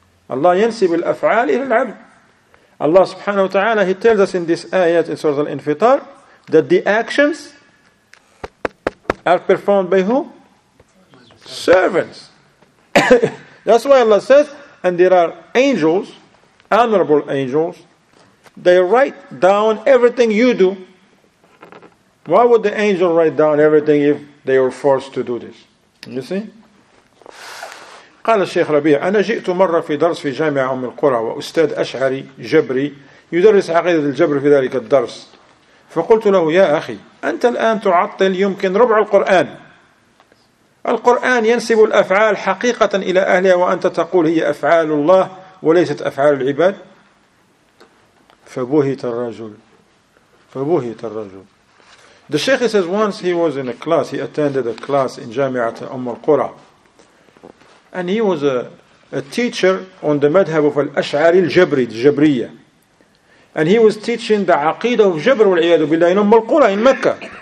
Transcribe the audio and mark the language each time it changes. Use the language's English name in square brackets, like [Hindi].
[Arabic] Allah ينسب الأفعال إلى العبد. [English] Allah subhanahu wa ta'ala, he tells us in this ayat in Surah Al-Infitar that the actions are performed by who? Servants. That's why Allah says, and there are angels, honorable angels, they write down everything you do. Why would the angel write down everything if they were forced to do this? You see? [Arabic] قال الشيخ ربيع أنا جئت مرة في درس في جامعة أم القرى وأستاذ أشعري جبري يدرس عقيدة الجبر في ذلك الدرس فقلت له يا أخي أنت الآن تعطل يمكن ربع القرآن. القرآن ينسب الأفعال حقيقة إلى أهلها وأنت تقول هي أفعال الله وليست أفعال العباد. فبهت الرجل فبهت الرجل. [English] The Sheikh says once he was in a class, he attended a class in Jamaa'ah Umm al-Qura, and he was a teacher on the madhab of al-Ash'ari al-Jabri, al-Jabriya, and he was teaching the aqidah of Jabr wal-Iyadu Billah in Umm al-Qura in Mecca.